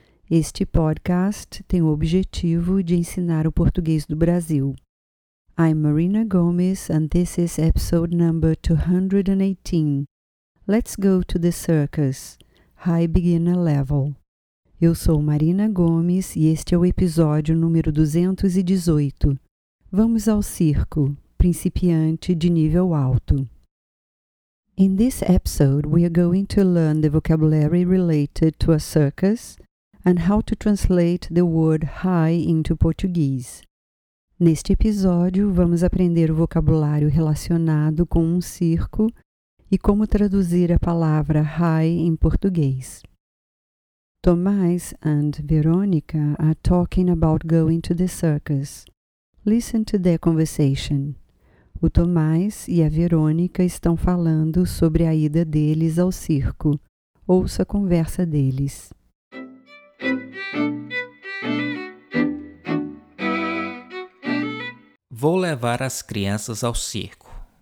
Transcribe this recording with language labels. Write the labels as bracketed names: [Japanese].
[Portuguese] Este podcast tem o objetivo de ensinar o português do Brasil. [English] I'm Marina Gomes and this is episode number 218. Let's go to the circus, high beginner level. [Portuguese] Eu sou Marina Gomes e este é o episódio número 218. Vamos ao circo, principiante de nível alto. [English] In this episode, we are going to learn the vocabulary related to a circus and how to translate the word high into Portuguese. [Portuguese] Neste episódio, vamos aprender o vocabulário relacionado com um circo e como traduzir a palavra high em português. [English] Tomás and Verônica are talking about going to the circus. Listen to their conversation. [Portuguese] O Tomás e a Verônica estão falando sobre a ida deles ao circo. Ouça a conversa deles. Vou levar as crianças ao circo.